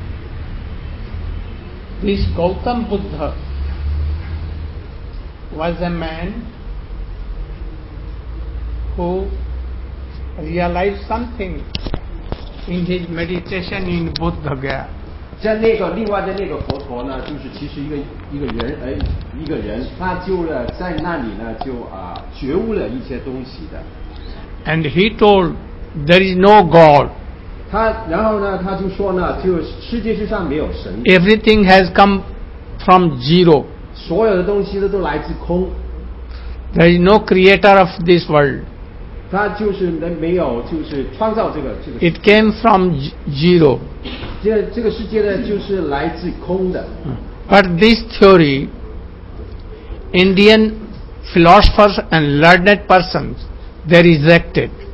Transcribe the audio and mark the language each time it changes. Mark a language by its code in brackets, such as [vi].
[zh] 其一个呢就是至尊主的那个佛陀，第二个呢就是那个在喜马拉雅山的那个出生的那位佛陀。This [en] Gautam Buddha was a man who realized something in his meditation in Buddha Gaya. [zh] 在那个另外的那个佛陀呢，就是其实一个人，他就在那里呢就觉悟了一些东西的。 [en] And he told, there is no God. [zh] 然后呢，他就说呢，就世界上没有神。 [en] Everything has come from zero. [zh] 所有的东西都来自空。 [en] There is no creator of this world. [zh] 它就是没有，就是创造这个。 [en] It came from zero. [zh] 这个世界呢，就是来自空的。 [en] But this theory, Indian philosophers and learned persons, they rejected.